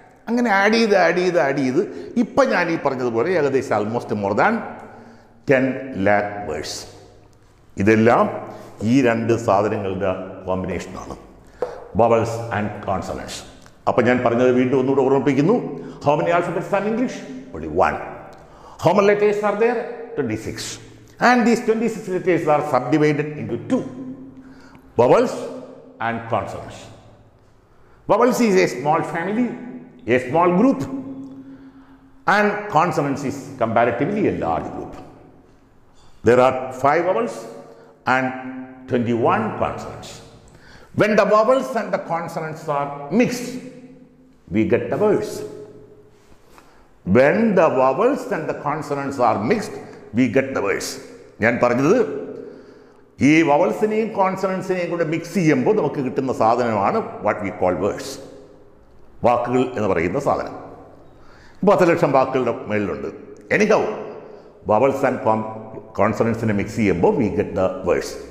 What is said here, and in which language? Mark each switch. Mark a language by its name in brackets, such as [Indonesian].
[Malayalam] അങ്ങനെ ആഡ് ചെയ്ത് ഇപ്പം ഞാൻ ഈ പറഞ്ഞതുപോലെ ഏകദേശം [English] Almost more than 10 lakh words. [Malayalam] ഇതെല്ലാം ഈ രണ്ട് സാധനങ്ങളുടെ കോമ്പിനേഷനാണ്, വവൽസ് ആൻഡ് കോൺസണൻസ്. അപ്പം ഞാൻ പറഞ്ഞത് വീണ്ടും ഒന്നുകൂടെ ഓർമ്മിപ്പിക്കുന്നു, [English] How many alphabets are English? Only 1. How many letters are there? 26. And these 26 letters are subdivided into 2, vowels and consonants. Vowels is a small family, a small group, and consonants is comparatively a large group. There are 5 vowels and 21 consonants. When the vowels and the consonants are mixed, we get the words. When the vowels and the consonants are mixed, we get the words. [Malayalam] ഞാൻ പറഞ്ഞത് ഈ വവൽസിനെയും കോൺസണൻസിനെയും കൂടെ mix ചെയ്യുമ്പോൾ നമുക്ക് കിട്ടുന്ന സാധനമാണ് [English] what we call words, [Malayalam] വാക്കുകൾ എന്ന് പറയുന്ന സാധനം. 10 ലക്ഷം വാക്കുകളുടെ മേളിലുണ്ട്. എനിക്ക് വവൽസ് ആൻഡ് കോൺസണൻസിനെ മിക്സ് ചെയ്യുമ്പോൾ [English] We get the words.